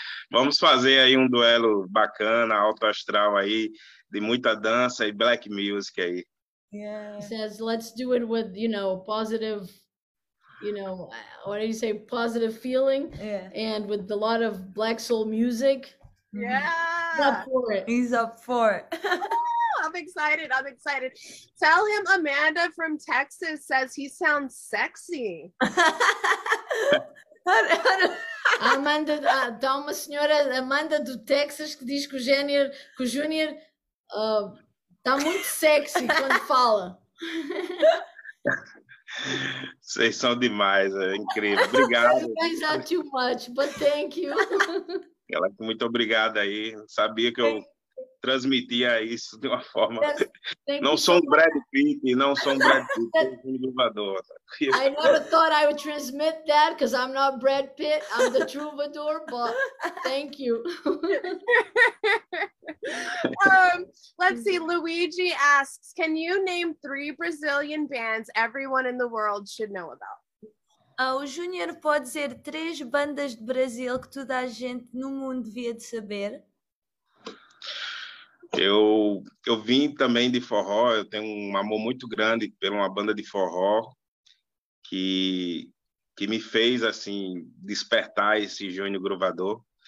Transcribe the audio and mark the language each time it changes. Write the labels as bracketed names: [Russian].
[Portuguese] Vamos fazer aí um duelo bacana, alto astral aí, de muita dança e black music aí. [English] Yeah. He says, let's do it with, positive. What do you say? Positive feeling, Yeah. and with a lot of black soul music. He's Yeah. up for it. He's up for it. Oh, I'm excited. I'm excited. Tell him Amanda from Texas says he sounds sexy. [Portuguese] Amanda, tá uma senhora, Amanda do Texas, que diz que o Júnior tá muito sexy quando fala. Vocês são demais, é incrível. Obrigado. [English] Guys are too much, but thank you. [Portuguese] Ela, muito obrigado aí. Sabia que eu transmitia isso de uma forma. [English] Thank [Portuguese] Não [English] you so [Portuguese] sou um Brad [English] much. [Portuguese] Pitt, não sou um Brad Pitt, sou um Groovador. [English] I never thought I would transmit that because I'm not Brad Pitt, I'm the Troubadour, but thank you. Let's see, Luigi asks, can you name three Brazilian bands everyone in the world should know about? [Portuguese] O Júnior pode dizer três bandas de Brasil que toda a gente no mundo devia de saber? Eu vim também de forró, eu tenho um amor muito grande por uma banda de forró que me fez assim despertar esse Júnior Groovador.